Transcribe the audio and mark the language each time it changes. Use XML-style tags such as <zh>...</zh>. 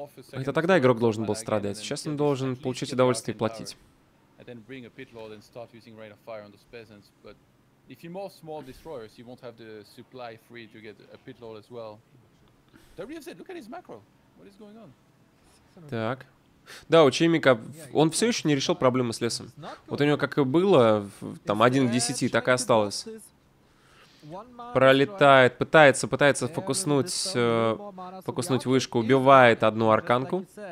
<ru>Это тогда игрок должен был страдать. Сейчас он должен получить удовольствие и платить.</ru> <en>and then bring a pit lord and start using rain of fire on those peasants. But if you move small destroyers, you won't have the supply free to get a pit lord as well. WFZ, look at his macro. What is going on?</en> <ru>Так. Да, у Чимика, он все еще не решил проблемы с лесом. Вот у него как и было, там, 1 в 10, так и осталось. Пролетает, пытается фокуснуть вышку, убивает одну арканку.</ru>